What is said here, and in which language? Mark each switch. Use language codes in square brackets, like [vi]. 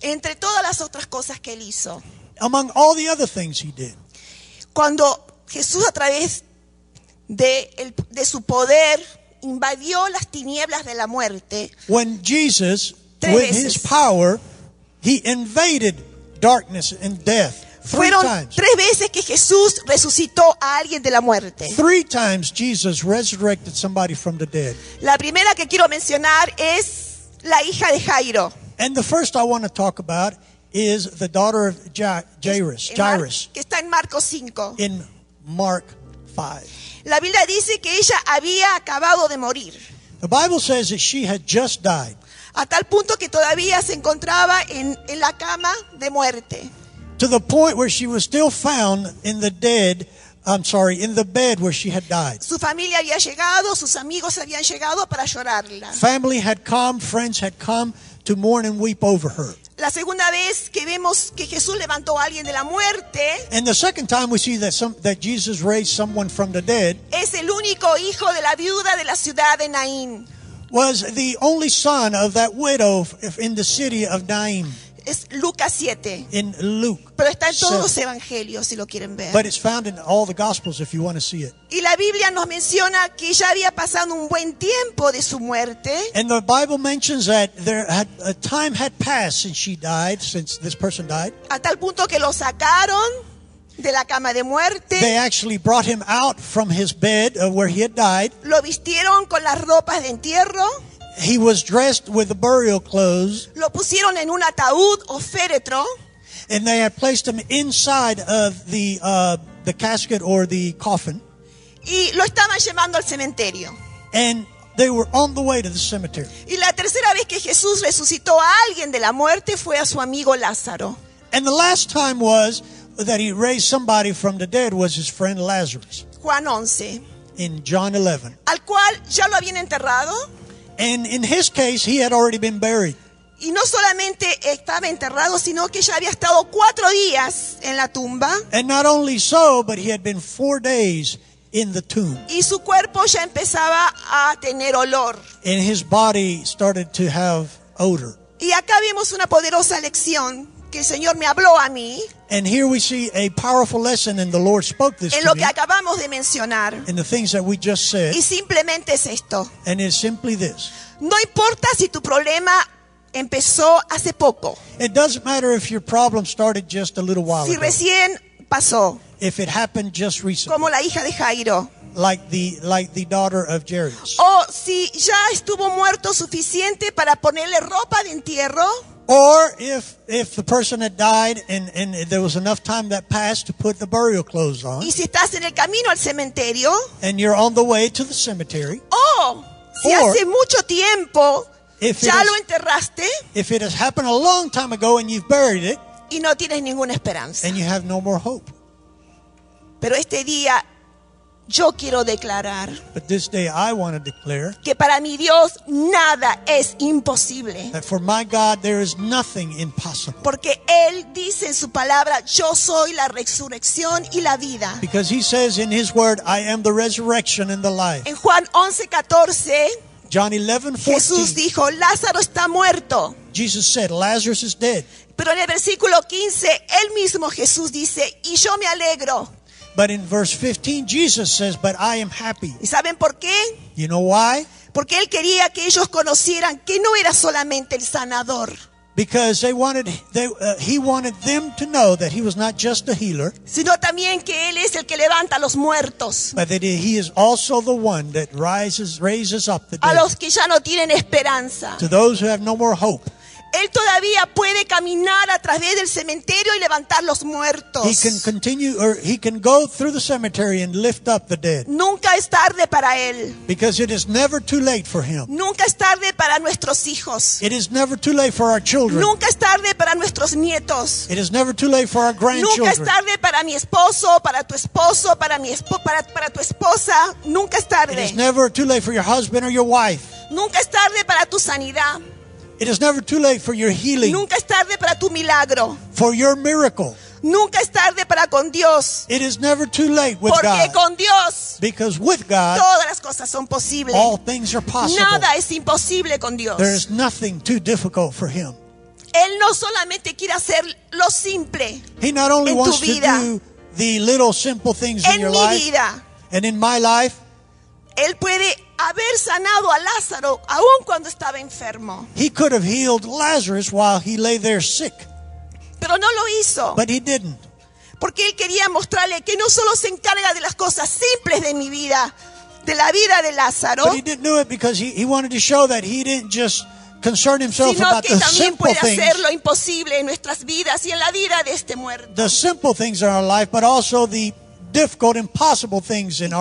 [es] Entre todas las otras cosas que él hizo. [en] Among all the other things he did. [es] Cuando Jesús a través de su poder invadió las tinieblas de la muerte. [en] When Jesus, with his power, he invaded darkness and death. [es] Fueron tres veces que Jesús resucitó a alguien de la muerte. [en] Three times Jesus resurrected somebody from the dead. [es] La primera que quiero mencionar es la hija de Jairo. [en] And the first I want to talk about is the daughter of Jairus. [es] Que está en Marcos 5. [en] In Mark 5. [es] La Biblia dice que ella había acabado de morir. [en] The Bible says that she had just died. [es] A tal punto que todavía se encontraba en la cama de muerte. [en] To the point where she was still found in the dead, I'm sorry, in the bed where she had died. [es] Su familia había llegado, sus amigos habían llegado para llorarla. [en] Family had come, friends had come to mourn and weep over her. [es] La segunda vez que vemos que Jesús levantó a alguien de la muerte. [en] And the second time we see that Jesus raised someone from the dead. [es] Es el único hijo de la viuda de la ciudad de Naín. [en] Was the only son of that widow in the city of Naín. [es] Es Lucas 7. [en] In Luke. [es] Pero está en todos los evangelios si lo quieren ver. [en] But it's found in all the gospels if you want to see it. [es] Y la Biblia nos menciona que ya había pasado un buen tiempo de su muerte. [en] And the Bible mentions that a time had passed since she died, since this person died. [es] A tal punto que lo sacaron de la cama de muerte. [en] They actually brought him out from his bed where he had died. [es] Lo vistieron con las ropas de entierro. [en] He was dressed with the burial clothes. [es] Lo pusieron en un ataúd o féretro. [en] And they had placed him inside of the casket or the coffin. [es] Y lo estaban llevando al cementerio. [en] And they were on the way to the cemetery. [es] Y la tercera vez que Jesús resucitó a alguien de la muerte fue a su amigo Lázaro. [en] And the last time was that he raised somebody from the dead was his friend Lazarus. [es] Juan 11. [en] In John 11. [es] Al cual ya lo habían enterrado. [en] And in his case, he had already been buried. [es] Y no solamente estaba enterrado, sino que ya había estado cuatro días en la tumba. [en] And not only so, but he had been 4 days in the tomb. [es] Y su cuerpo ya empezaba a tener olor. [en] And his body started to have odor. [es] Y acá vemos una poderosa lección. que el Señor me habló a mí. [en] And here we see a powerful lesson, and the Lord spoke this to me. [es] En lo que acabamos de mencionar. [en] In the things that we just said. [es] Y simplemente es esto. [en] And it's simply this. [es] No importa si tu problema empezó hace poco. [en] It doesn't matter if your problem started just a little while [es] si [en] ago. [es] Si recién pasó. [en] If it happened just recently. [es] Como la hija de Jairo. [en] Like the daughter of Jairus. [es] O si ya estuvo muerto suficiente para ponerle ropa de entierro. [en] Or if the person had died and there was enough time that passed to put the burial clothes on. [es] Y si estás en el camino al cementerio. [en] And you're on the way to the cemetery. [es] O si hace mucho tiempo ya lo enterraste. [en] If it has happened a long time ago and you've buried it. [es] Y no tienes ninguna esperanza. [en] And you have no more hope. [es] Pero este día yo quiero declarar. [en] But this day I want to declare. [es] Que para mi Dios nada es imposible. [en] That for my God there is nothing impossible. [es] Porque Él dice en su palabra, yo soy la resurrección y la vida. [en] Because He says in His word, I am the resurrection and the life. [es] En Juan 11:14. [en] John 11:14. [es] Jesús dijo, Lázaro está muerto. [en] Jesus said, Lazarus is dead. [es] Pero en el versículo 15, Él mismo Jesús dice, y yo me alegro. [en] But in verse 15, Jesus says, but I am happy. [es] ¿Y saben por qué? [en] You know why? [es] Porque Él quería que ellos conocieran que no era solamente el sanador. [en] Because he wanted them to know that he was not just a healer. [es] Sino también que Él es el que levanta a los muertos. [en] But that he is also the one that raises up the dead. [es] A los que ya no tienen esperanza. [en] To those who have no more hope. [es] Él todavía puede caminar a través del cementerio y levantar los muertos. [en] He can continue, or he can go through the cemetery and lift up the dead. [es] Nunca es tarde para Él. [en] Because it is never too late for Him. [es] Nunca es tarde para nuestros hijos. [en] It is never too late for our children. [es] Nunca es tarde para nuestros nietos. [en] It is never too late for our grandchildren. [es] Nunca es tarde para mi esposo, para tu esposo, para tu esposa. Nunca es tarde. [en] It is never too late for your husband or your wife. [es] Nunca es tarde para tu sanidad. [en] It is never too late for your healing. [es] Nunca es tarde para tu milagro. [en] For your miracle. [es] Nunca es tarde para con Dios. [en] It is never too late with [es] Porque [en] God. [es] Porque con Dios. [en] Because with God. [es] Todas las cosas son posibles. [en] All things are possible. [es] Nada es imposible con Dios. [en] There is nothing too difficult for Him. [es] Él no solamente quiere hacer lo simple. [en] He not only [es] en [en] wants [es] tu vida, [en] to do the little simple things [es] en [en] in your [es] mi [en] life. [es] Vida, [en] and in my life. [es] Él puede haber sanado a Lázaro aun cuando estaba enfermo. [en] He could have healed Lazarus while he lay there sick. [es] Pero no lo hizo. [en] But he didn't. [es] Porque él quería mostrarle que no solo se encarga de las cosas simples de mi vida, de la vida de Lázaro. [en] But he didn't do it because he wanted to show that he didn't just concern himself [es] sino [en] about the simple things. [es] Sino que también puede hacer lo imposible en nuestras vidas y en la vida de este muerto. [en] The simple things in our life, but also the difficult, impossible things in our